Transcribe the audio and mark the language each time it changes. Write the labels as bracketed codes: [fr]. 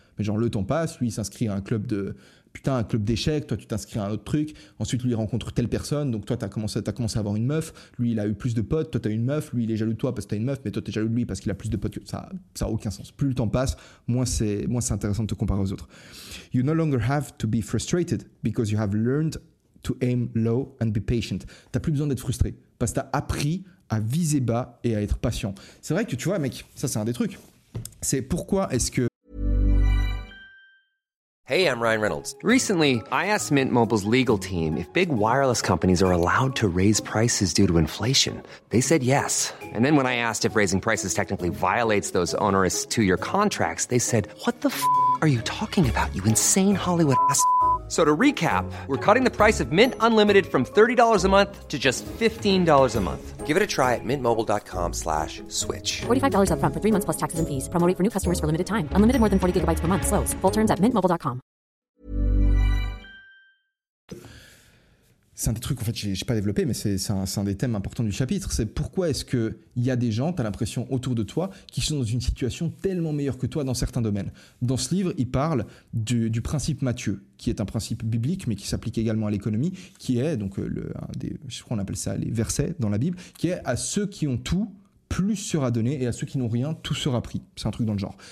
[fr] Mais genre, le temps passe, lui, il s'inscrit à un club de, putain, un club d'échecs, toi, tu t'inscris à un autre truc, ensuite, lui, il rencontre telle personne, donc toi, t'as commencé à avoir une meuf, lui, il a eu plus de potes, toi, t'as une meuf, lui, il est jaloux de toi parce que t'as une meuf, mais toi, t'es jaloux de lui parce qu'il a plus de potes, ça a aucun sens. Plus le temps passe, moins c'est intéressant de te comparer aux autres. [en] You no longer have to be frustrated because you have learned to aim low and be patient. [fr] T'as plus besoin d'être frustré parce que t'as appris à viser bas et à être patient. C'est vrai que, tu vois, mec, ça, c'est un des trucs. C'est pourquoi est-ce que [en] Hey, I'm Ryan Reynolds. Recently, I asked Mint Mobile's legal team if big wireless companies are allowed to raise prices due to inflation. They said yes. And then when I asked if raising prices technically violates those onerous two-year contracts, they said, what the f*** are you talking about, you insane Hollywood ass f***? So to recap, we're cutting the price of Mint Unlimited from $30 a month to just $15 a month. Give it a try at mintmobile.com/switch. $45 up front for 3 months plus taxes and fees. Promo rate for new customers for limited time. Unlimited more than 40 gigabytes per month. Slows full terms at mintmobile.com. [fr] C'est un des trucs, en fait, j'ai pas développé, mais c'est un des thèmes importants du chapitre. C'est pourquoi est-ce qu'il y a des gens, t'as l'impression, autour de toi, qui sont dans une situation tellement meilleure que toi dans certains domaines. Dans ce livre, il parle du principe Matthieu, qui est un principe biblique, mais qui s'applique également à l'économie, qui est, donc, je crois qu'on appelle ça les versets dans la Bible, qui est « à ceux qui ont tout, plus sera donné, et à ceux qui n'ont rien, tout sera pris ». C'est un truc dans le genre.